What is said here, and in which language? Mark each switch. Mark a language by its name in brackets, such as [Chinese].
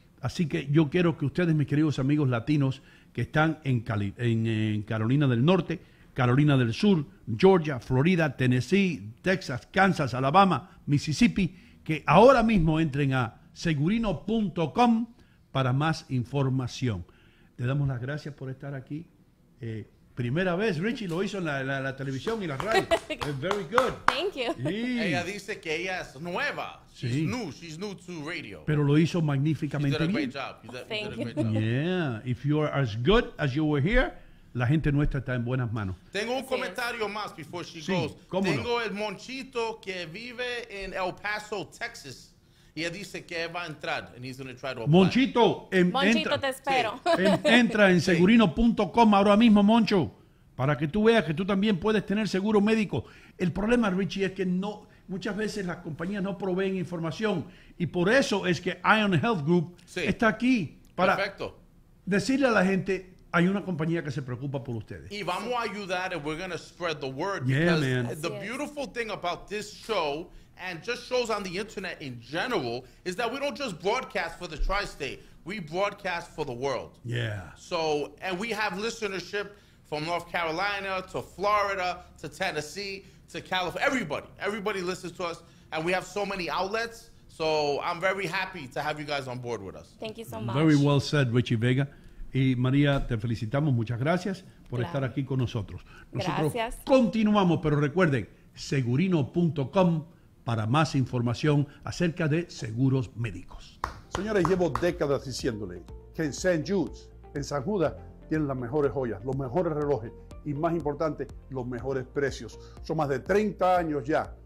[Spanish] Así que yo quiero que ustedes, mis queridos amigos latinos que están en Carolina del Norte, Carolina del Sur, Georgia, Florida, Tennessee, Texas, Kansas, Alabama, Mississippi, que ahora mismo entren a segurino.com para más información. Le damos las gracias por estar aquí. Primera vez, Richie lo hizo en la televisión y la radio. [English] It's very good. Thank you. [Spanish] Y ella dice que ella es nueva. Sí. [English] She's new to radio. [Spanish] Pero lo hizo magníficamente bien. [English] She did a great job. Thank you. Yeah. If you are as good as you were here, [Spanish] la gente nuestra está en buenas manos. Tengo un comentario más [English] before she goes. [Spanish] Sí, cómo tengo el Monchito que vive en El Paso, Texas. Y él dice que va a entrar. [English] And he's going to try to apply. [Spanish] Monchito, te espero. Entra en segurino.com ahora mismo, Moncho, para que tú veas que tú también puedes tener seguro médico. El problema, Richie, es que no, muchas veces las compañías no proveen información. Y por eso es que Ion Health Group está aquí para decirle a la gente, hay una compañía que se preocupa por ustedes. Y vamos a ayudar, [English] and we're going to spread the word. Yeah, man. The beautiful thing about this show and just shows on the internet in general is that we don't just broadcast for the tri-state, we broadcast for the world. Yeah. So, and we have listenership from North Carolina to Florida to Tennessee to California. Everybody listens to us, and we have so many outlets. So I'm very happy to have you guys on board with us. Thank you so much. Very well said, Richie Vega. [Spanish] Y María, te felicitamos. Muchas gracias por estar aquí con nosotros. Nosotros gracias. Continuamos, pero recuerden, segurino.com. Para más información acerca de seguros médicos. Señores, llevo décadas diciéndole que en St. Jude's, en San Judas, tienen las mejores joyas, los mejores relojes y, más importante, los mejores precios. Son más de 30 años ya